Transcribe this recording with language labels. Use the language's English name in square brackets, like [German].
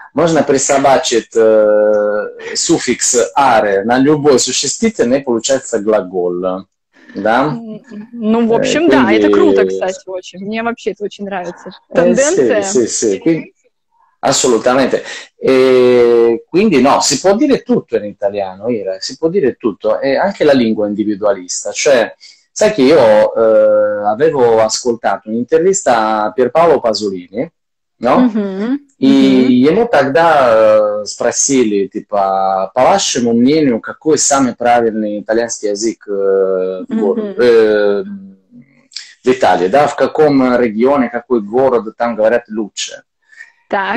[Russian] Можно присобачить суффикс «аре» на любой существительное, и получается глагол. Да? Ну, в общем, да. Это круто, кстати, очень. Мне вообще это очень нравится. Тенденция. [Italian] Sì, sì, sì. Assolutamente. E quindi no, si può dire tutto in italiano, Ira. Si può dire tutto. E anche la lingua individualista. Cioè, sai che io avevo ascoltato un'intervista a Pierpaolo Pasolini, no? Mm-hmm. [Russian] И ему тогда спросили, типа, по вашему мнению, какой самый правильный итальянский язык в Италии, да, в каком регионе, какой город там говорят лучше. Так.